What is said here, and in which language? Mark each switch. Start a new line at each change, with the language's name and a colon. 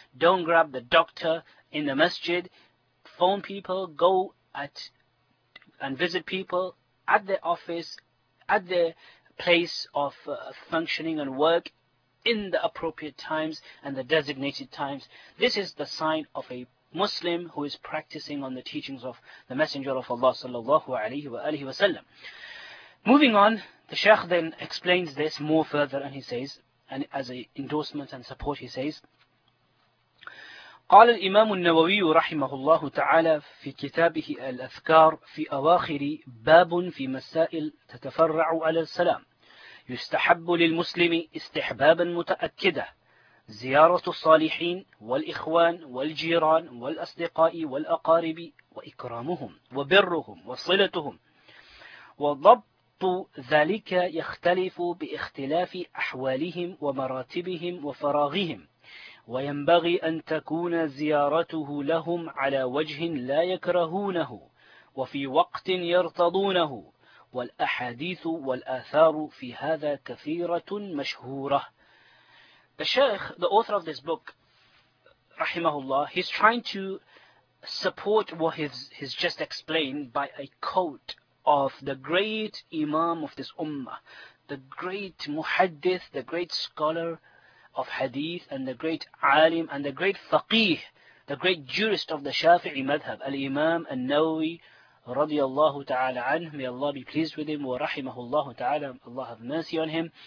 English: Don't grab the doctor in the masjid. Phone people, go at and visit people at their office, at their place of functioning and work, in the appropriate times and the designated times. This is the sign of a Muslim who is practicing on the teachings of the Messenger of Allah sallallahu alayhi wa alihi wa sallam. Moving on, the Shaykh then explains this more further, and he says, and as an endorsement and support, he says,
Arabic: قال الإمام النووي رحمه الله تعالى في كتابه الأذكار في أواخر باب في مسائل تتفرع على السلام. يستحب للمسلم استحبابا متأكدا زيارة الصالحين والإخوان والجيران والأصدقاء والأقارب وإكرامهم وبرهم وصلتهم، وضبط ذلك يختلف باختلاف أحوالهم ومراتبهم وفراغهم، وينبغي أن تكون زيارته لهم على وجه لا يكرهونه وفي وقت يرتضونه، والأحاديث والآثار في هذا كثيرة مشهورة.
English: The Shaykh, the author of this book, rahimahullah, he's trying to support what he's just explained by a quote of the great Imam of this Ummah, the great Muhaddith, the great scholar of Hadith, and the great Alim, and the great Faqih, the great jurist of the Shafi'i Madhab, Al-Imam Al-Nawawi, radiyallahu ta'ala anhu, may Allah be pleased with him, wa rahimahullahu ta'ala, Allah have mercy on him.